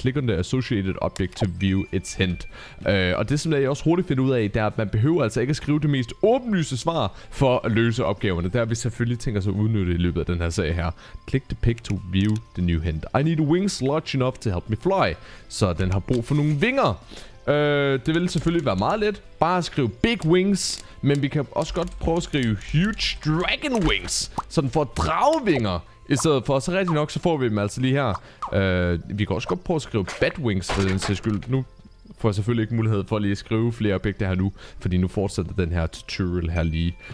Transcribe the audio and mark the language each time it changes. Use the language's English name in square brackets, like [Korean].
[English] Click on the associated object to view its hint. [Danish] Og det, som jeg også hurtigt finder ud af, det er, at man behøver altså ikke at skrive det mest åbenlyse svar for at løse opgaverne. Der vi selvfølgelig tænker sig at udnytte i løbet af den her sag her. [English] Click the pig to view the new hint. I need wings large enough to help me fly. [Danish] Så den har brug for nogle vinger. Det vil selvfølgelig være meget let. Bare at skrive [English] big wings. [Danish] Men vi kan også godt prøve at skrive [English] huge dragon wings. [Danish] Så den får dragevinger. I stedet for, så rigtig nok, så får vi dem altså lige her. Vi kan også godt prøve at skrive batwings, for den sags skyld. Nu får jeg selvfølgelig ikke mulighed for lige at skrive flere objekter her nu, fordi nu fortsætter den her tutorial her lige.